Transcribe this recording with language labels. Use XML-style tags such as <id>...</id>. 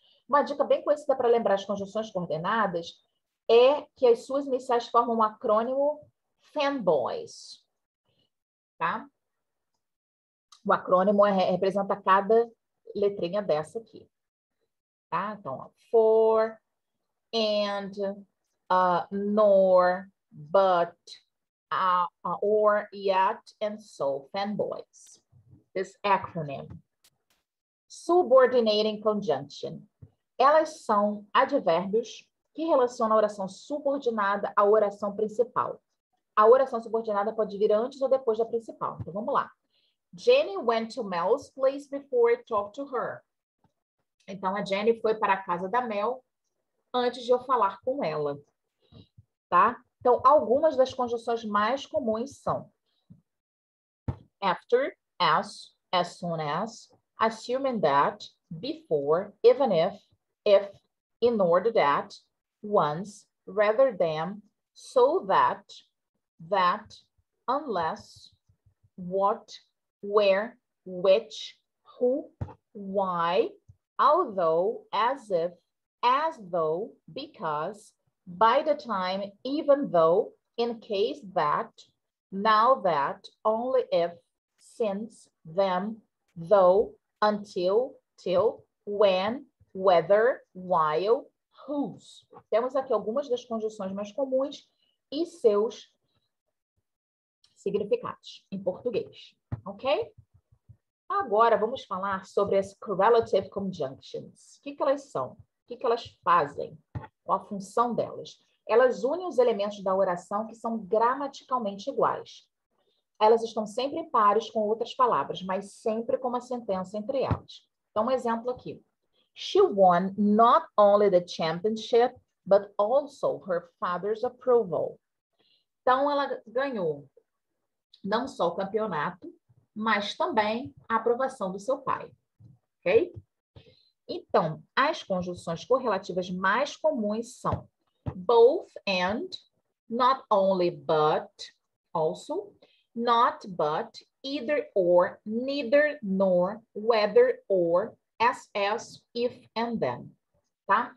<pt>Uma dica bem conhecida para lembrar as conjunções coordenadas é que as suas iniciais formam um acrônimo fanboys, tá? O acrônimo representa cada letrinha dessa aqui, tá? Então,</pt> <en>for, and, nor, but, or, yet, and so, fanboys. This acronym. Subordinating conjunction.</en> <pt>Elas são advérbios que relacionam a oração subordinada à oração principal. A oração subordinada pode vir antes ou depois da principal. Então, vamos lá.</pt> <en>Jenny went to Mel's place before I talked to her.</en> <pt>Então, a Jenny foi para a casa da Mel antes de eu falar com ela. Tá? Então, algumas das conjunções mais comuns são</pt> <en>after, as soon as, assuming that, before, even if, in order that, once, rather than, so that, that, unless, what, where, which, who, why, although, as if, as though, because, by the time, even though, in case that, now that, only if, since, them, though, until, till, when, whether, while, whose.</en> <pt>Temos aqui algumas das conjunções mais comuns e seus significados em português, ok? Agora vamos falar sobre as correlative conjunctions. O que elas são? O que elas fazem? ou a função delas. Elas unem os elementos da oração que são gramaticalmente iguais. Elas estão sempre em pares com outras palavras, mas sempre com uma sentença entre elas. Então, um exemplo aqui.</pt> <en>She won not only the championship, but also her father's approval.</en> <pt>Então, ela ganhou não só o campeonato, mas também a aprovação do seu pai. Ok? Então, as conjunções correlativas mais comuns são</pt> <en>both and, not only but, also, not but, either or, neither nor, whether or, as, if and then.</en> <pt>Tá?</pt>